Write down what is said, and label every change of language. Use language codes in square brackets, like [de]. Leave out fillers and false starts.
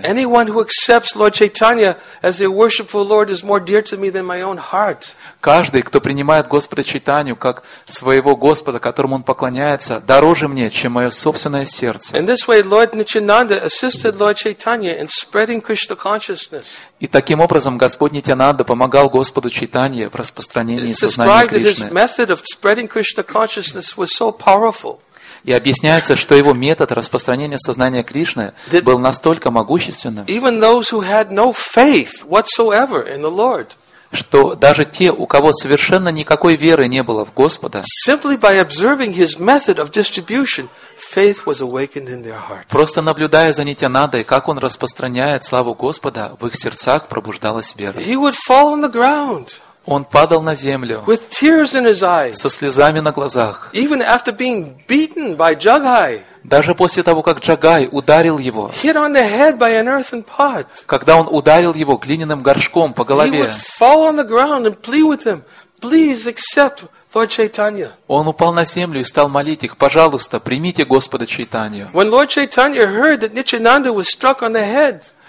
[en] Anyone who accepts Lord Chaitanya as their worshipful Lord is more dear to me than my own heart. [ru] Каждый, кто принимает Господа Чайтанью как своего Господа, которому он поклоняется, дороже мне, чем мое собственное сердце. [en] In this way, Lord Nityananda assisted Lord Chaitanya in spreading Krishna consciousness. [ru] И таким образом Господь Нитянанда помогал Господу Чайтанье в распространении сознания Кришны. [en] It's described that his method of spreading Krishna consciousness was so powerful. [ru] И объясняется, что его метод распространения сознания Кришны был настолько могущественным, [en] even those who had no faith whatsoever in the Lord, [ru] что даже те, у кого совершенно никакой веры не было в Господа, [en] simply by observing his method of distribution, faith was awakened in their hearts. [ru] Просто наблюдая за Нитянандой, как он распространяет славу Господа, в их сердцах пробуждалась вера. [en] He would fall on the ground. [ru] Он падал на землю [en] with tears in his eyes, [ru] со слезами на глазах. [en] Even after being beaten by Jagai, [ru] даже после того, как Джагай ударил его, [en] hit on the head by an earthen pot, [ru] когда он ударил его глиняным горшком по голове, [en] he would fall on the ground and plead with him, "Please accept Lord Chaitanya." [ru] Он упал на землю и стал молить их: "Пожалуйста, примите Господа Чайтанью." [en] When Lord Chaitanya heard that Nityananda was struck on the head,